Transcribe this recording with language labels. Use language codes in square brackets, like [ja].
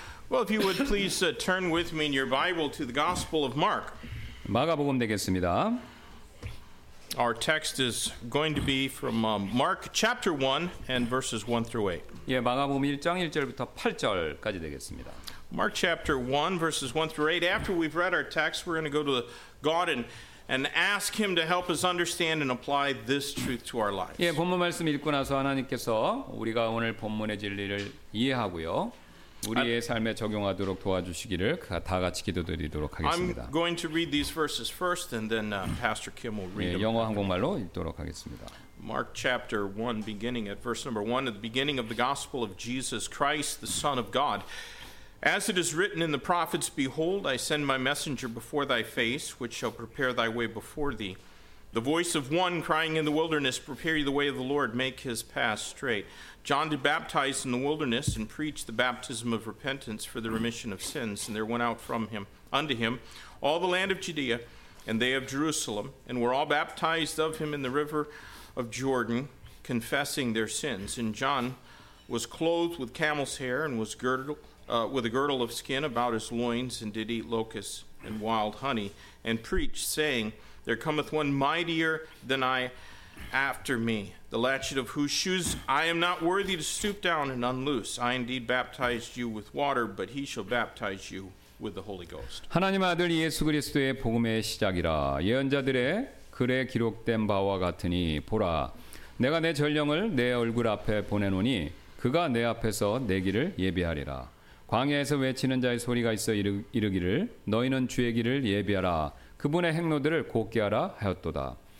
[en] Well, if you would please turn with me in your Bible to the Gospel of Mark. [ko] 마가복음 되겠습니다. [en] Our text is going to be from Mark chapter 1 and verses 1 through 8. [ko] 예, 마가복음 1장 1절부터 8절까지 되겠습니다. [en] Mark chapter 1 verses 1 through 8. After we've read our text, we're going to go to God and ask him to help us understand and apply this truth to our lives. [ko] 예, 본문 말씀 읽고 나서 하나님께서 우리가 오늘 본문의 진리를 이해하고요. 우리의 삶에 적용하도록 도와주시기를 다 같이 기도드리도록 하겠습니다. [en] I'm going to read these verses first and then Pastor Kim will read them. [ko] 예, 영어 한국말로 읽도록 하겠습니다. [en] Mark chapter 1 beginning at verse number 1 at the beginning of the gospel of Jesus Christ the Son of God. As it is written in the prophets, behold, I send my messenger before thy face, which shall prepare thy way before thee. The voice of one crying in the wilderness, prepare ye the way of the Lord, make his path straight. John did baptize in the wilderness and preached the baptism of repentance for the remission of sins. And there went out from him unto him all the land of Judea and they of Jerusalem, and were all baptized of him in the river of Jordan, confessing their sins. And John was clothed with camel's hair and was girded with a girdle of skin about his loins, and did eat locusts and wild honey, and preached, saying, There cometh one mightier than I after me, the latchet of whose shoes I am not worthy to stoop down and unloose. I indeed baptized you with water, but he shall baptize you with the Holy Ghost. [ko] 하나님 아들 예수 그리스도의 복음의 시작이라. 예언자들의 글에 기록된 바와 같으니 보라, 내가 내 전령을 내 얼굴 앞에 보내노니 그가 내 앞에서 내 길을 예비하리라. 광야에서 외치는 자의 소리가 있어 이르기를 너희는 주의 길을 예비하라 그분의 행로들을 곧게 하라 하였도다.